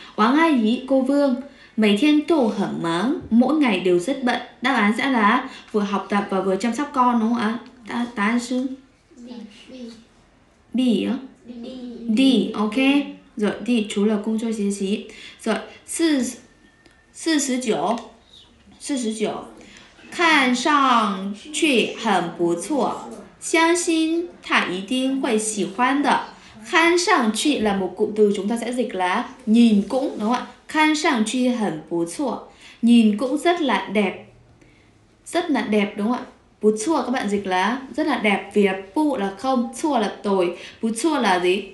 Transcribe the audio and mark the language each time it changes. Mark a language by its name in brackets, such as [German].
[Vietnamese] Wang A Yi, cô Vương, mỗi ngày đều rất bận. Mỗi ngày đều rất bận. Đáp án sẽ là vừa học tập và vừa chăm sóc con đúng không ạ? Đáp án là B. D. OK. Rồi D, chú là công cho chiến sĩ. Rồi 49. [Chinese] 看上去很不错，相信他一定会喜欢的。 [Vietnamese] 看上去 là một cụm từ chúng ta sẽ dịch là nhìn cũng đúng không ạ? [Chinese] 看上去很不错, [Vietnamese] nhìn cũng rất là đẹp, rất là đẹp đúng không ạ? 不错 các bạn dịch là rất là đẹp, vì bu là không, 错 là tồi, 不错 là gì?